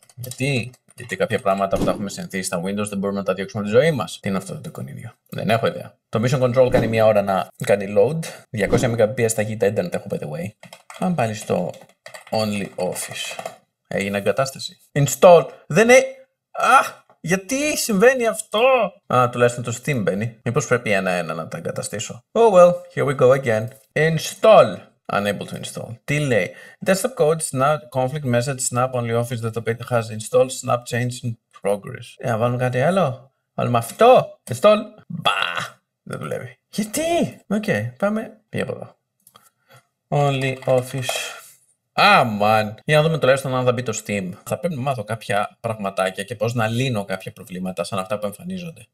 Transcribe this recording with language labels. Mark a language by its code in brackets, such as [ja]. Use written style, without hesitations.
[el] Γιατί κάποια πράγματα που τα έχουμε συνηθίσει στα Windows δεν μπορούμε να τα διώξουμε από τη ζωή μας. Τι είναι αυτό το εικονίδιο. Δεν έχω ιδέα. Το Mission Control κάνει μία ώρα να κάνει load. 200 Mbps ταχύτητα internet έχω, [en] by the way. [el] Πάμε πάλι στο Only Office. Έγινε εγκατάσταση. Install. Δεν είναι. Γιατί συμβαίνει αυτό. Τουλάχιστον το Steam μπαίνει. Μήπως πρέπει ένα-ένα να τα εγκαταστήσω. [en] Oh well, here we go again. [el] Install. Unable to install. Τι λέει. [en] Desktop code, snap, conflict message, snap, only office that the has installed, snap, change in progress. [el] Για να βάλουμε κάτι άλλο. Βάλουμε αυτό. Install. Μπα. Δεν δουλεύει. Γιατί. Οκ. Πάμε. Πήγε από εδώ. Only office. Αμάν. Για να δούμε τουλάχιστον αν θα μπει το Steam. Θα πρέπει να μάθω κάποια πραγματάκια και πώς να λύνω κάποια προβλήματα σαν αυτά που εμφανίζονται.